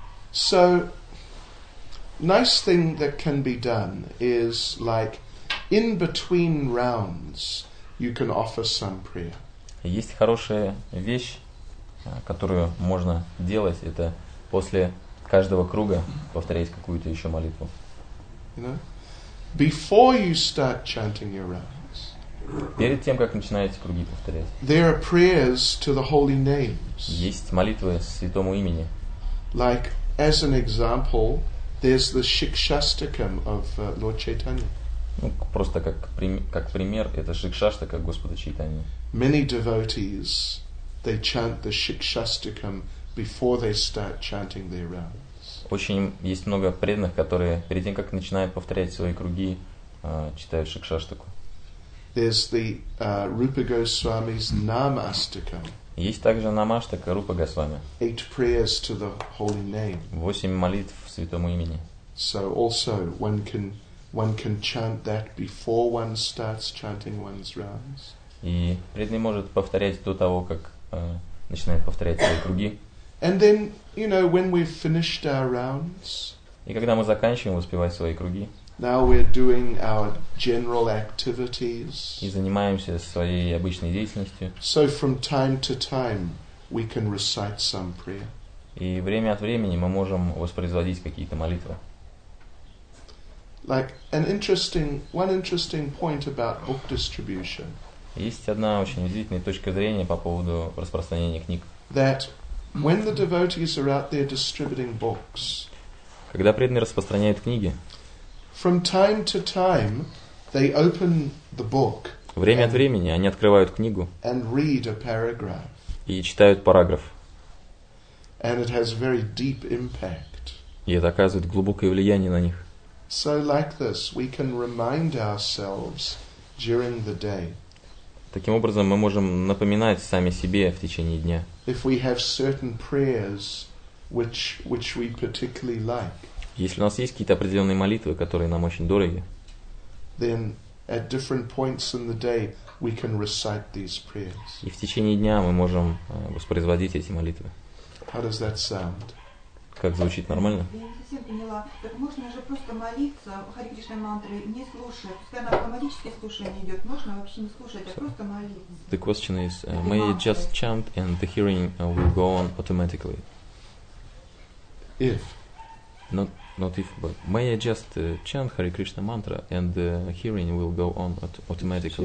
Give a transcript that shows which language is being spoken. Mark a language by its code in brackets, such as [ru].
[en] So, nice thing that can be done is like in between rounds, you can offer some prayer. [ru] Есть хорошая вещь, которую можно делать, это после каждого круга повторять какую-то еще молитву. [en] You know? Before you start chanting your rounds. [ru] Перед тем, как начинаете круги повторять. [en] There are prayers to the holy names. [ru] Есть молитвы святому имени. [en] Like, as an example, there's the Shikshastakam of Lord Chaitanya. [ru] Ну, просто как пример, это Шикшаштака Господа Чайтаньи. [en] Many devotees, they chant the Shikshastakam before they start chanting their rounds. [ru] Очень есть много преданных, которые перед тем, как начинают повторять свои круги, читают Шикшаштаку. [en] There's the Rupa Goswami's Namastakam. [ru] Есть также Намаштака Рупа Госвами. [en] 8 prayers to the holy name. [ru] 8 молитв святому имени. [en] So also one can chant that before one starts chanting one's rounds. [ru] И преданный может повторять до того, как начинает повторять свои круги. [en] And then, you know, when we've finished our rounds. [ru] И когда мы заканчиваем успевать свои круги. [en] Now we're doing our general activities. [ru] И занимаемся своей обычной деятельностью. [en] So from time to time we can recite some prayer. [ru] И время от времени мы можем воспроизводить какие-то молитвы. [en] Like one interesting point about book distribution. [ru] Есть одна очень удивительная точка зрения по поводу распространения книг. [en] That when the devotees are out there distributing books. [ru] Когда преданные распространяют книги. [en] From time to time, they open the book. [ru] Время от времени они открывают книгу. [en] And read a paragraph. [ru] И читают параграф. [en] And it has very deep impact. [ru] И это оказывает глубокое влияние на них. [en] So like this, we can remind ourselves during the day. [ru] Таким образом, мы можем напоминать сами себе в течение дня. [en] If we have certain prayers, which we particularly like. [ru] Если у нас есть какие-то определенные молитвы, которые нам очень дороги, [en] then at different points in the day we can recite these prayers. [ru] И в течение дня мы можем воспроизводить эти молитвы. [en] How does that sound? [ru] Как звучит нормально? Я не совсем поняла. Так можно же просто молиться Хари Кришна мантры, не слушая. Когда на автоматическое слушание идет, можно вообще не слушать, а просто молиться. [en] The question is, may you just chant and the hearing will go on automatically? If. Not if, but may I just chant Hare Krishna mantra and the hearing will go on automatically?